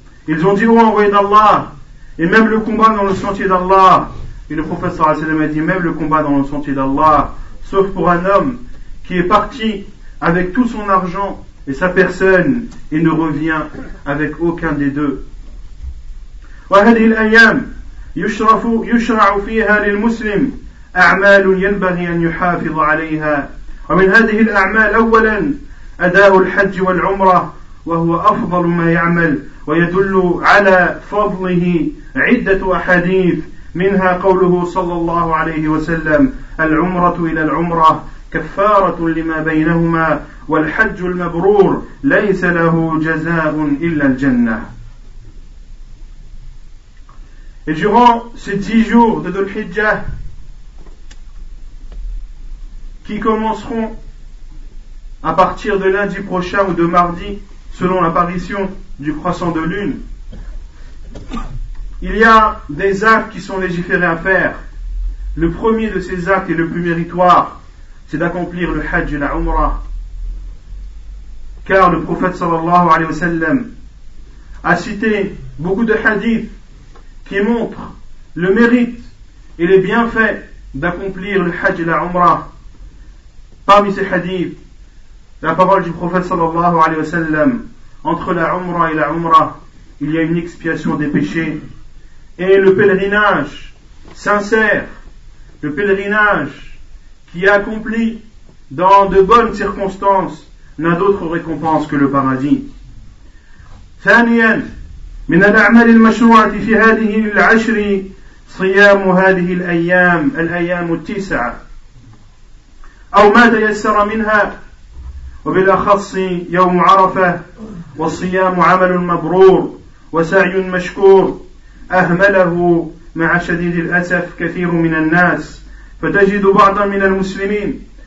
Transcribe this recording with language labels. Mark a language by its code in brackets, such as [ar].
[fr] Ils ont dit oh, envoyé d'Allah, et même le combat dans le sentier d'Allah. Et le prophète sallallahu alayhi wa sallam a dit même le combat dans le sentier d'Allah, sauf pour un homme qui est parti avec tout son argent et sa personne et ne revient avec aucun des deux. [ar] وهذه الأيام يشرع فيها للمسلم أعمال ينبغي أن يحافظ عليها ومن هذه الأعمال أولا أداء الحج والعمرة وهو أفضل ما يعمل ويدل على فضله عدة أحاديث منها قوله صلى الله عليه وسلم العمرة إلى العمرة كفارة لما بينهما والحج المبرور ليس له جزاء إلا الجنة. [fr] Et durant ces 10 jours de Dhul Hijjah qui commenceront à partir de lundi prochain ou de mardi selon l'apparition du croissant de lune, il y a des actes qui sont légiférés à faire. Le premier de ces actes et le plus méritoire, c'est d'accomplir le Hajj et la Umrah. Car le prophète sallallahu alayhi wa sallam a cité beaucoup de hadiths qui montre le mérite et les bienfaits d'accomplir le Hajj et la Umrah. Parmi ces hadiths, la parole du prophète sallallahu alayhi wa sallam, entre la Umrah et la Umrah, il y a une expiation des péchés. Et le pèlerinage sincère, le pèlerinage qui est accompli dans de bonnes circonstances, n'a d'autre récompense que le paradis. [ar] Thaniyan, من الأعمال المشروعة في هذه العشر صيام هذه الأيام الأيام التسعة أو ما تيسر منها وبالأخص يوم عرفة والصيام عمل مبرور وسعي مشكور أهمله مع شديد الأسف كثير من الناس فتجد بعضا من المسلمين